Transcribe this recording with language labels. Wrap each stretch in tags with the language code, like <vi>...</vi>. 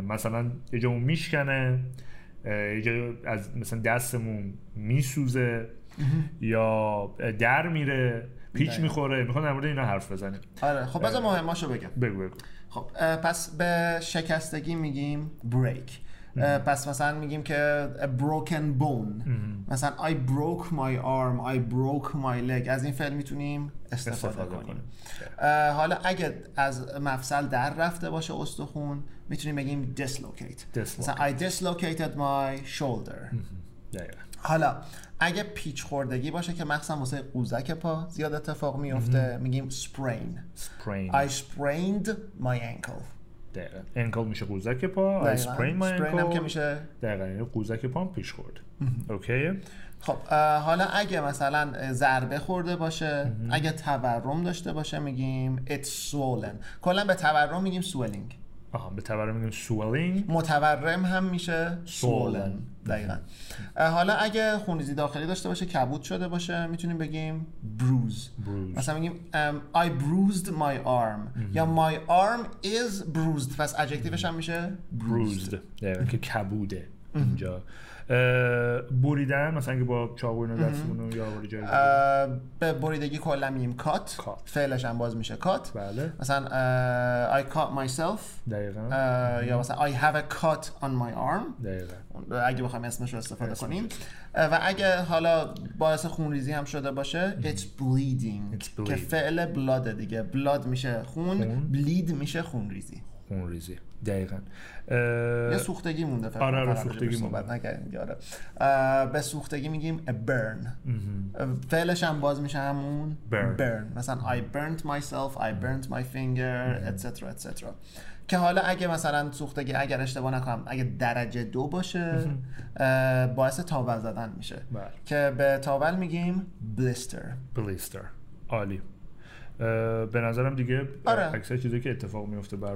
<fa>مثلا یه جامون میشکنه، از مثلا دستمون میسوزه یا در میره، پیچ میخوره. میخوام در مورد اینا حرف بزنیم. آره، خب بذار مهماشو بگم. بگو بگو. خب پس به شکستگی میگیم break. پس مثلا میگیم که</fa> <en>a broken bone.</en> <fa>مثلا</fa> <en>I broke my arm, I broke my leg.</en> <fa>از این فعل میتونیم استفاده کنیم. حالا اگه از مفصل در رفته باشه استخون، میتونیم بگیم dislocate. مثلا</fa> <en>I dislocated my shoulder.</en> <fa>حالا اگه پیچ خوردگی باشه که مخصوصا واسه قوزک پا زیاد اتفاق میفته، میگیم sprain.</fa> <en>Sprain. I sprained my ankle.</en> <fa>دقیقا. انکل میشه قوزک پا. دقیقا.</fa> <en>I sprained my ankle.</en> <fa>هم که میشه. دقیقا. یعنی قوزک پا هم پیچ خورد. اوکی. خب حالا اگه مثلا ضربه خورده باشه، اگه تورم داشته باشه میگیم</fa> <en>it's swollen.</en> <fa>کلا به تورم میگیم swelling. آها، به تورم میگیم swelling. متورم هم میشه swollen. دقیقاً. حالا اگه خونریزی داخلی داشته باشه، کبود شده باشه، میتونیم بگیم bruise. مثلا میگیم</fa> <en>I bruised my arm. یا my arm is bruised.</en> <fa>پس adjective‌ش هم میشه bruised. دقیقاً که کبوده اینجا. بریدن مثلا اگه با چاقو اینو دستمون یا اول جای دیگه به بریدگی کلا میگیم کات. فعلش هم باز میشه کات. بله. مثلا</fa> <en>I cut myself.</en> <fa>دقیقاً. یا مثلا</fa> <en>I have a cut on my arm.</en> <fa>دقیقاً. اگه بخوام اسمش رو استفاده کنیم و اگه حالا باعث خونریزی هم شده باشه</fa> <en>it's bleeding.</en> <fa>که فعل blood دیگه، blood میشه خون. bleed میشه خونریزی. خونریزی دقیقاً. یه سوختگی مونده فقط. آره، سوختگی مونده. آره. به سوختگی میگیم a burn. فعلش هم باز میشه همون</fa> <en>burn.</en> <fa>مثلا</fa> <en>I burnt myself, I burnt my finger, etc. etc.</en> <fa>که حالا اگه مثلا سوختگی اگر اشتباه نکنم اگه درجه دو باشه باعث تاول زدن میشه. بله. که به تاول میگیم blister. Blister. عالی. به نظرم دیگه آره. اکثر چیزی که اتفاق میفته برام</fa>